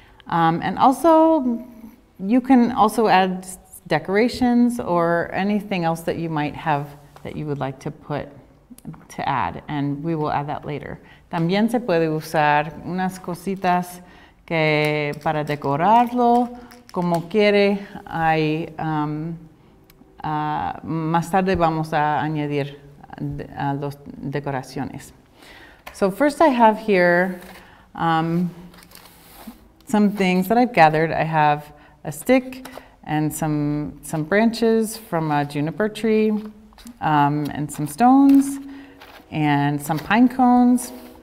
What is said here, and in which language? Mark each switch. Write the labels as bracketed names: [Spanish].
[English] And also, you can also add decorations or anything else that you might have that you would like to put to add, and we will add that later. [Spanish] También se puede usar unas cositas que para decorarlo. Como quiere, más tarde vamos a añadir las decoraciones. [English] So first I have here some things that I've gathered. I have a stick and some branches from a juniper tree and some stones and some pine cones.